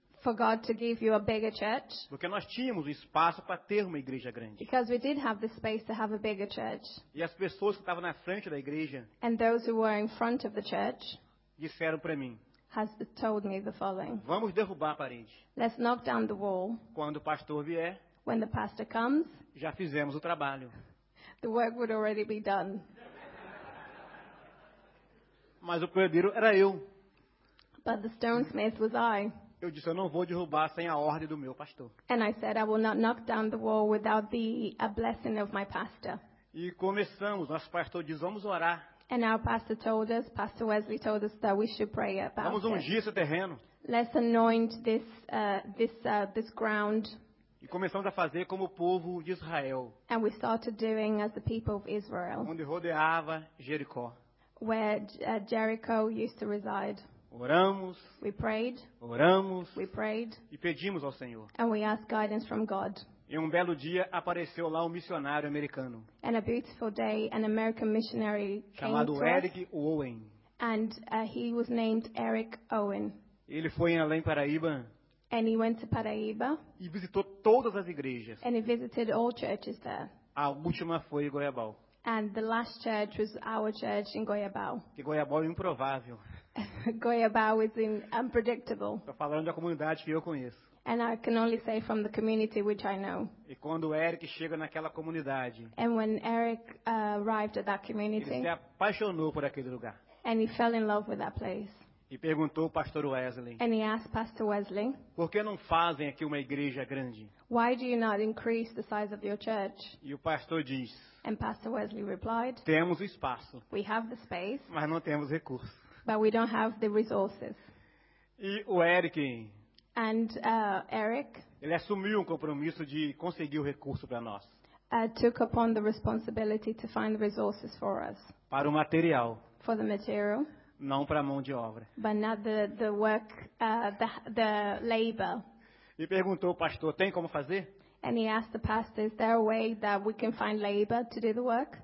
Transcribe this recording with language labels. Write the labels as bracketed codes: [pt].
[en] For God to give you a bigger church. [pt] Porque nós tínhamos espaço para ter uma igreja grande. [en] Because we did have the space to have a bigger church. [pt] E as pessoas que estavam na frente da igreja. [en] And those who were in front of the church. [pt] Disseram para mim. [en] Has told me the following. [pt] Vamos derrubar a parede. [en] Let's knock down the wall. [pt] Quando o pastor vier. [en] When the pastor comes. [pt] Já fizemos o trabalho. [en] The work would already be done. [pt] Mas o pedreiro era eu. [en] But the stonesmith was I. [pt] Eu disse, eu não vou derrubar sem a ordem do meu pastor. [en] And I said, I will not knock down the wall without a blessing of my pastor. [pt] E começamos, nosso pastor diz, vamos orar. [en] And our pastor told us, Pastor Wesley told us that we should pray about it. [pt] Vamos ungir esse terreno. [en] Let's anoint this ground. [pt] E começamos a fazer como o povo de Israel. [en] And we started doing as the people of Israel. [pt] Onde rodeava Jericó. [en] Where Jericho used to reside. [pt] Oramos. [en] We prayed. [pt] Oramos. [en] We prayed. [pt] E pedimos ao Senhor. [en] And we asked guidance from God. [pt] E um belo dia apareceu lá um missionário americano. [en] And a beautiful day, an American missionary came [pt] chamado [en] to [pt] Eric [en] us. [pt] Owen. [en] And he was named Eric Owen. [pt] Ele foi em Além Paraíba. [en] And he went to Paraíba. [pt] E visitou todas as igrejas. [en] And he visited all churches there. [pt] A última foi em Goiabal. [en] And the last church was our church in Goiabal. [pt] Que Goiabal é improvável. [en] Goiaba was unpredictable. [pt] Estou falando da comunidade que eu conheço. [en] And I can only say from the community which I know. [pt] E quando o Eric chega naquela comunidade. [en] And when Eric arrived at that community. [pt] Ele se apaixonou por aquele lugar. [en] And he fell in love with that place. [pt] E perguntou ao pastor Wesley. [en] And he asked Pastor Wesley. [pt] Por que não fazem aqui uma igreja grande? [en] Why do you not increase the size of your church? [pt] E o pastor diz. [en] And Pastor Wesley replied. [pt] Temos o espaço. [en] We have the space. [pt] Mas não temos recursos. [en] But we don't have the resources. [pt] E o Eric. [en] And Eric. [pt] Ele assumiu um compromisso de conseguir o recurso para nós. [en] Took upon the responsibility to find the resources for us. [pt] Para o material. [en] For the material. [pt] Não para a mão de obra. [en] But not the work, the labor. [pt] E perguntou ao pastor, tem como fazer? [en] And he asked the pastor, is there a way that we can find labor to do the work?